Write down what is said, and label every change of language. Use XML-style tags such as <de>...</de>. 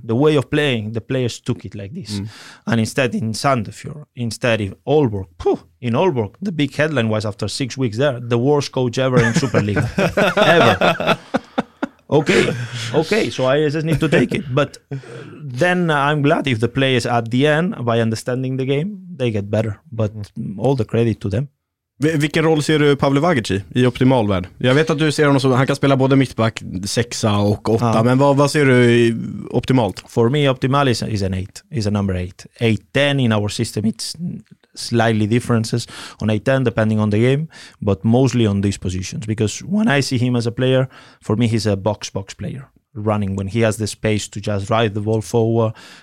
<en>The way of playing, the players took it like this. And instead in Sandefjord, instead in Aalborg, in Aalborg, the big headline was after 6 weeks there, the worst coach ever in Superliga, ever. Okay, so I just need to take it. But then I'm glad if the players at the end, by understanding the game, they get better. But all the credit to them.</en> <sv>Vilken roll ser du Pavle Vagic i optimal värld? Jag vet att du ser honom som han kan spela både mittback, sexa och åtta, men vad ser du optimalt?</sv> <en>For me, optimal is an eight, is a number eight. 8-10 in our system, it's slightly differences on 8-10 depending on the game, but mostly on these positions. Because when I see him as a player, for me he's a box-box player, running when he has the space to just drive the ball forward,</en>